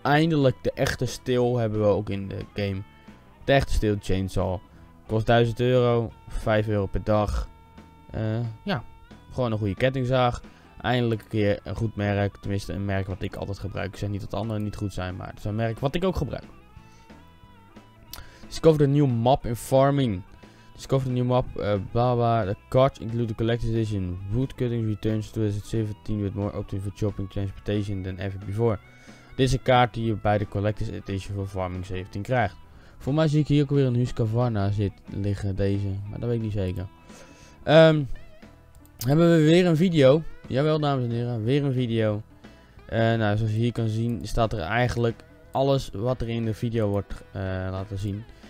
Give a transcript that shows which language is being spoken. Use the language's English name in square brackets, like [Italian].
[Dutch] Eindelijk de echte steel hebben we ook in de game. De echte steel chainsaw. Kost 1000 euro, 5 euro per dag. Ja, gewoon een goede kettingzaag. Eindelijk een keer een goed merk. Tenminste een merk wat ik altijd gebruik. Ik zeg niet dat anderen niet goed zijn, maar het is een merk wat ik ook gebruik. [English] Discover the new map in farming. Discover the new map, the cart include the collector's edition. Woodcutting returns to 2017 with more options for chopping transportation than ever before. [Dutch] Dit is een kaart die je bij de collector's edition voor farming 17 krijgt. Voor mij zie ik hier ook weer een Husqvarna liggen, deze, maar dat weet ik niet zeker. Hebben we weer een video. Jawel, dames en heren, weer een video. Nou, zoals je hier kan zien, staat er eigenlijk alles wat er in de video wordt laten zien.